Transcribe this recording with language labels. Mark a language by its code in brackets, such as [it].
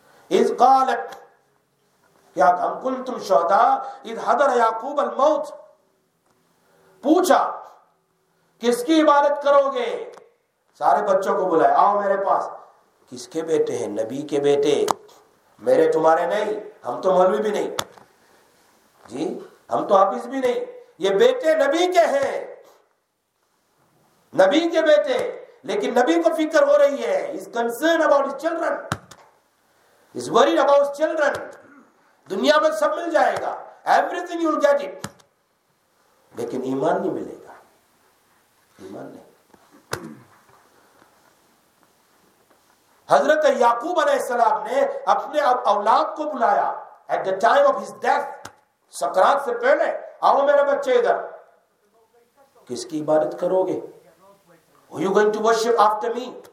[ar] اذ قالت، یا ام کنتم شہداء اذ حضر یعقوب الموت، [ur] پوچھا کس کی عبادت کرو گے؟ سارے بچوں کو بلائے، آؤ میرے پاس. کس کے بیٹے ہیں؟ نبی کے بیٹے، میرے تمہارے نہیں، ہم تو مولوی بھی نہیں، جی ہم تو حافظ بھی نہیں، یہ بیٹے نبی کے ہیں، نبی کے بیٹے. لیکن نبی کو فکر ہو رہی ہے، [en] is concerned about his children, is worried about his children. [ur] دنیا میں سب مل جائے گا، [en] everything you'll get it, [ur] لیکن ایمان نہیں ملے گا. ایمان نہیں. حضرت یعقوب علیہ السلام نے اپنے اولاد کو بلایا [en] at the time of his death, [ur] سکرات سے پہلے، آؤ میرے بچے ادھر، کس کی عبادت کرو گے؟ [en] Are you going to worship after me?